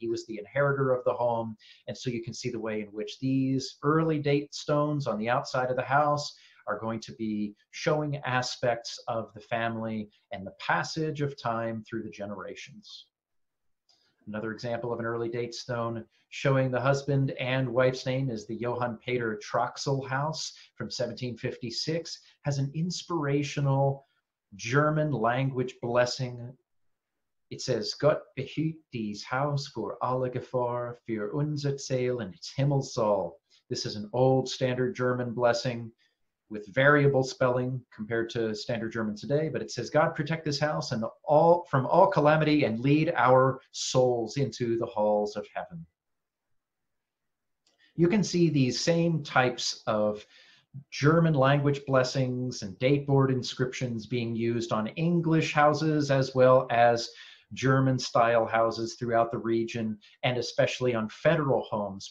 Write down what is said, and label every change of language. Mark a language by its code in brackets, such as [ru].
[en] He was the inheritor of the home. And so you can see the way in which these early date stones on the outside of the house are going to be showing aspects of the family and the passage of time through the generations. Another example of an early date stone showing the husband and wife's name is the Johann Peter Troxel house from 1756. Has an inspirational German language blessing. It says, [de] Gott behüt dies Haus vor alle Gefahr für unser Seel und des Himmels soll. [en] This is an old standard German blessing with variable spelling compared to standard German today, but it says, God protect this house and all from all calamity and lead our souls into the halls of heaven. You can see these same types of German language blessings and date board inscriptions being used on English houses as well as German style houses throughout the region, and especially on federal homes.